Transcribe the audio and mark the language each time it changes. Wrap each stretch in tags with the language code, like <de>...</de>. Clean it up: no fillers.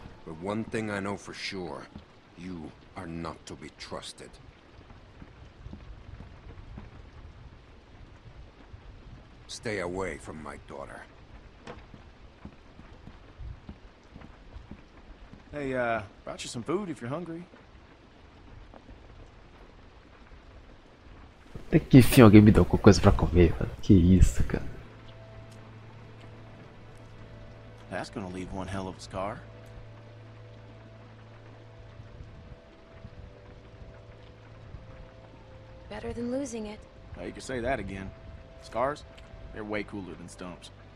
<en>But one thing I know for sure, you are not to be trusted. Stay away from my daughter. Hey, brought you some food if you're hungry.</en> <pt>Até que enfim alguém me deu alguma coisa pra comer, mano. Que isso, cara.</pt> <en>That's gonna leave one hell of a scar. Better than losing it. Now you can say that again. Scars? They're way cooler than stumps.</en>